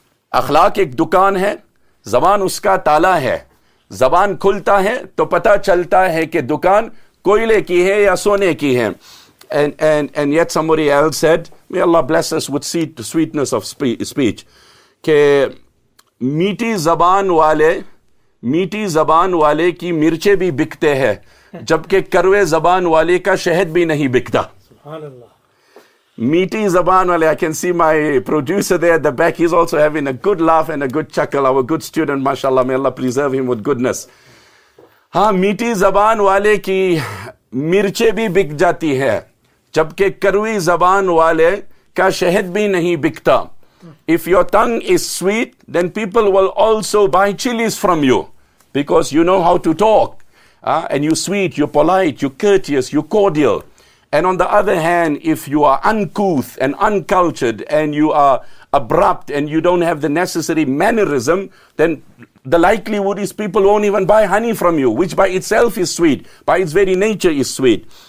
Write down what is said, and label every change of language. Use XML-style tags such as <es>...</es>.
<ur>اخلاق ایک دکان ہے زبان اس کا تالا ہے زبان کھلتا ہے تو پتا چلتا ہے کہ دکان کوئلے کی ہے یا سونے کی ہے</ur> <en>and yet somebody else said, may Allah bless us with sweetness of speech.</en> <ur>کہ میٹھی زبان والے کی مرچیں بھی بکتے ہیں جبکہ کروے زبان والے کا شہد بھی نہیں بکتا. سبحان اللہ. میٹھی زبان والے,</ur> <en>I can see my producer there at the back, he's also having a good laugh and a good chuckle, our good student, mashallah, may Allah preserve him with goodness.</en> <ur>ہاں, میٹھی زبان والے کی مرچیں بھی بک جاتی ہے جبکہ کروی زبان والے کا شہد بھی نہیں بکتا.</ur> <en>If your tongue is sweet, then people will also buy chilies from you because you know how to talk. And you're sweet, you're polite, you're courteous, you're cordial. And on the other hand, if you are uncouth and uncultured and you are abrupt and you don't have the necessary mannerism, then the likelihood is people won't even buy honey from you, which by itself is sweet, by its very nature is sweet.</en>